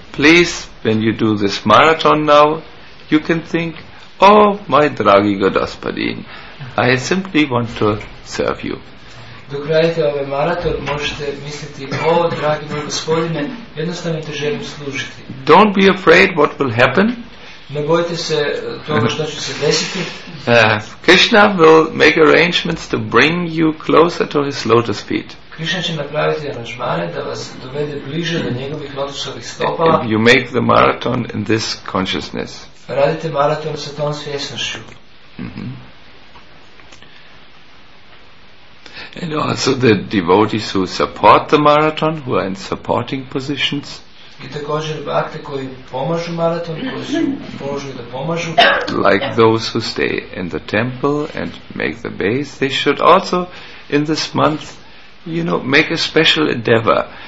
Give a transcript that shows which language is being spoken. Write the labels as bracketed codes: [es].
[en] Please, when you do this marathon now, you can think, oh my [hr] dragi gospodin, [en] I simply want to serve you. [hr] Dok radite ovaj maraton, možete misliti, o, dragi moj gospodine, jednostavno te želim služiti. [en] Don't be afraid what will happen. [hr] Ne bojte se toga što će se desiti. [en] Krishna will make arrangements to bring you closer to his lotus feet. [hr] Krishna će napraviti aranžmane da vas dovede bliže do njegovih lotusovih stopala. [en] If you make the marathon in this consciousness. [hr] Radite maraton sa tom svjesnošću. [en] And also the devotees who support the marathon, who are in supporting positions. [hr] I također bhakte koji pomažu maraton, koji su položili da pomažu. [en] Like those who stay in the temple and make the base, they should also in this month, you know, make a special endeavor.